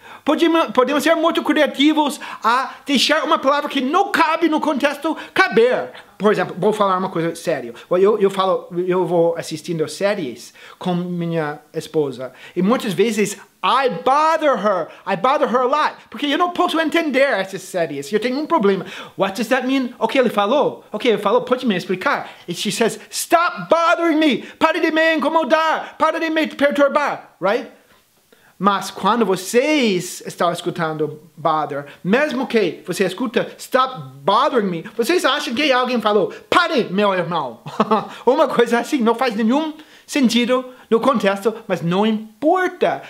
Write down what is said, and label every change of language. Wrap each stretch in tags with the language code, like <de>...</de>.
<pt>Podemos ser muito criativos a deixar uma palavra que não cabe no contexto caber. Por exemplo, vou falar uma coisa séria. Eu vou assistindo séries com minha esposa. E muitas vezes,</pt> <en>I bother her a lot.</en> <pt>Porque eu não posso entender essas séries. Eu tenho um problema.</pt> <en>What does that mean?</en> <pt>O que ele falou? O que ele falou? Pode me explicar?</pt> <en>E she says, stop bothering me.</en> <pt>Pare de me incomodar. Pare de me perturbar. Right? Mas quando vocês estão escutando bother, mesmo que você escuta</pt> <en>stop bothering me,</en> <pt>vocês acham que alguém falou, pare, meu irmão. Uma coisa assim, não faz nenhum sentido no contexto, mas não importa.</pt>